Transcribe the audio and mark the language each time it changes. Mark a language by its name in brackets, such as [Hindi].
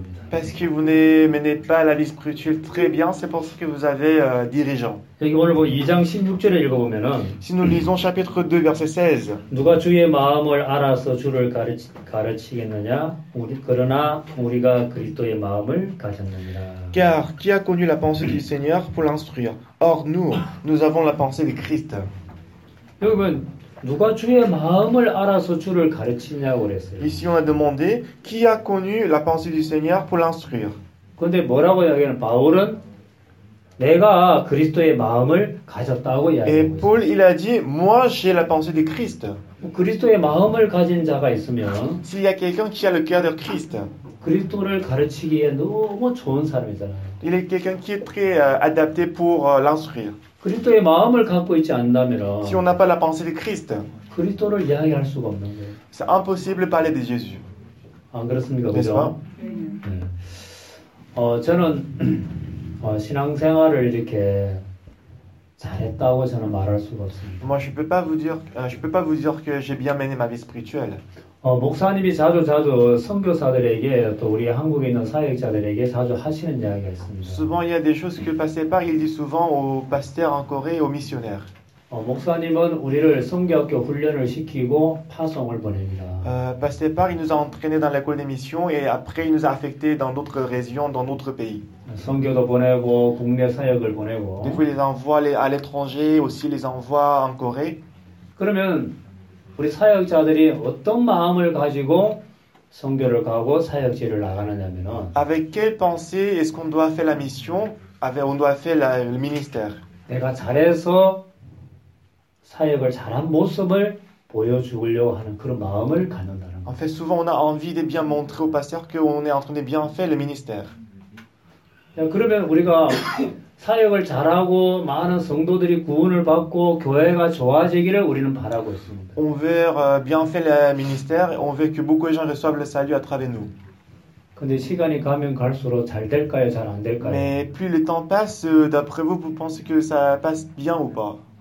[French] Parce que vous ne menez pas la vie spirituelle très bien, c'est pour ça que vous avez dirigeant. Si nous lisons chapitre 2, verset 16, [Korean] 누가 주의 마음을 알아서 주를 가르치겠느냐? 우리, 그러나 우리가 그리스도의 마음을 가졌느니라. [French] Car qui a connu la pensée du Seigneur pour l'instruire? Or nous, nous avons la pensée du Christ. [Korean] 여러분, 누가 주의 마음을 알아서 주를 가르치냐고 그랬어요. [French] Ici on a demandé qui a connu la pensée du Seigneur pour l'instruire. [Korean] 그런데 뭐라고 이야기하는 바울은 내가 그리스도의 마음을 가졌다고 이야기하고 있어요. [French] Et Paul il a dit moi j'ai la pensée du Christ. [Korean] 그리스도의 마음을 가진 자가 있으면 [French] s'il y a quelqu'un qui a le cœur de Christ. [Korean] 그리스도를 가르치기에 너무 좋은 사람이잖아요. [French] Il est quelqu'un qui est très adapté pour l'instruire. [Korean] 그리스도의 마음을 갖고 있지 않다면 [French] si on n'a pas la pensée du Christ. [Korean] 그리스도를 이야기할 수가 없는 거예요. [French] C'est impossible de parler de Jésus. [Korean] 안 그렇습니까? 그죠? 저는 신앙생활을 이렇게 잘했다고 저는 말할 수가 없습니다. [French] Moi, je peux pas vous dire, je peux pas vous dire que j'ai bien mené ma vie spirituelle. [Korean] 목사님이 자주 선교사들에게 또 우리 한국에 있는 사역자들에게 자주 하시는 이야기가 있습니다. [French] Souvent, il y a des choses que le pasteur parle, il dit souvent aux pasteurs en Corée et aux missionnaires. [Korean] 목사님은 우리를 선교학교 훈련을 시키고 파송을 보냅니다. [French] Pasteur Park, il nous a entraînés dans l'école des missions et après il nous a affectés dans d'autres régions, dans d'autres pays. [Korean] 선교도 보내고 국내 사역을 보내고. [French] Des fois, il les envoie à l'étranger, aussi les envoie en Corée. [Korean] 그러면 우리 사역자들이 어떤 마음을 가지고 선교를 가고 사역지를 나가느냐면은. [French] Avec quelle pensée est-ce qu'on doit faire la mission? Avec on doit faire le ministère. [Korean] 내가 잘해서 사역을 잘한 모습을 보여주려고 하는 그런 마음을 갖는다는 거예요. [French] En fait, souvent on a envie de bien montrer au pasteur qu'on est en train de bien faire le ministère. [Korean] 야, 그러면 우리가 사역을 잘하고 많은 성도들이 구원을 받고 교회가 좋아지기를 우리는 바라고 있습니다. [French] On veut bien faire le ministère, on veut que beaucoup de gens reçoivent le salut à travers nous. [Korean] 근데 시간이 가면 갈수록 잘 될까요, 잘 안 될까요? [French] Mais plus le temps passe, d'après vous, vous pensez que ça passe bien ou pas?